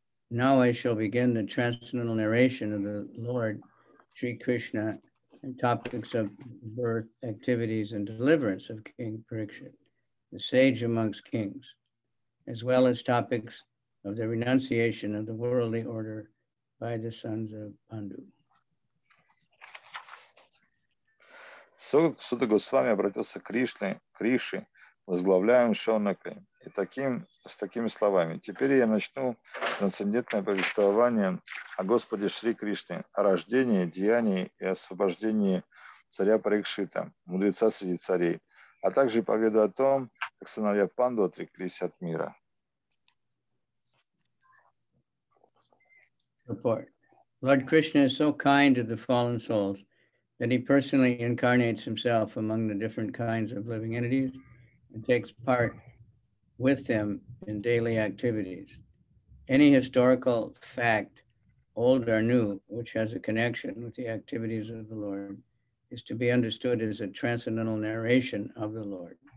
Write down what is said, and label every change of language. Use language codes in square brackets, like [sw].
[en] Now I shall begin the transcendental narration of the Lord Sri Krishna and topics of birth, activities, and deliverance of King Parikshit, the sage amongst kings, as well as topics of the renunciation of the worldly order by the sons of Pandu. [ru] So, Сута Госвами обратился к Кришне, Криши, возглавляемому Шонакой, и с такими словами. Теперь я начну трансцендентное повествование о Господе Шри Кришне, о рождении, деянии и освобождении царя Парикшита, мудреца среди царей, а также поведу о том, как сыновья Панду отреклись от мира. [en] Report. Lord Krishna is so kind to the fallen souls that he personally incarnates himself among the different kinds of living entities and takes part with them in daily activities. Any historical fact, old or new, which has a connection with the activities of the Lord is to be understood as a transcendental narration of the Lord.